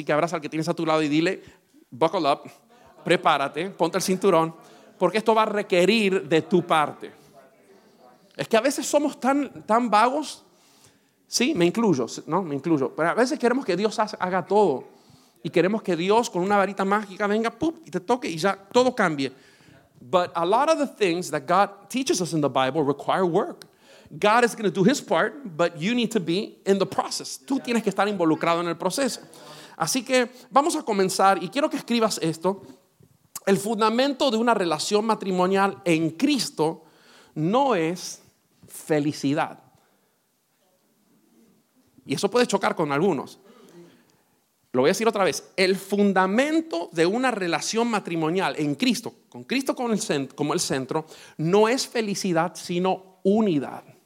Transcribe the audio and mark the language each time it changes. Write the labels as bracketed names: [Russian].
[Spanish] Así que abraza al que tienes a tu lado y dile, [English] buckle up, [Spanish] prepárate, ponte el cinturón, porque esto va a requerir de tu parte. Es que a veces somos tan vagos, sí, me incluyo, pero a veces queremos que Dios haga todo y queremos que Dios con una varita mágica venga, pum, y te toque y ya todo cambie. [English] But a lot of the things that God teaches us in the Bible require work. God is going to do his part, but you need to be in the process. [Spanish] Tú tienes que estar involucrado en el proceso. Así que vamos a comenzar y quiero que escribas esto. El fundamento de una relación matrimonial en Cristo no es felicidad. Y eso puede chocar con algunos. Lo voy a decir otra vez, el fundamento de una relación matrimonial en Cristo, con Cristo como el centro, no es felicidad, sino unidad.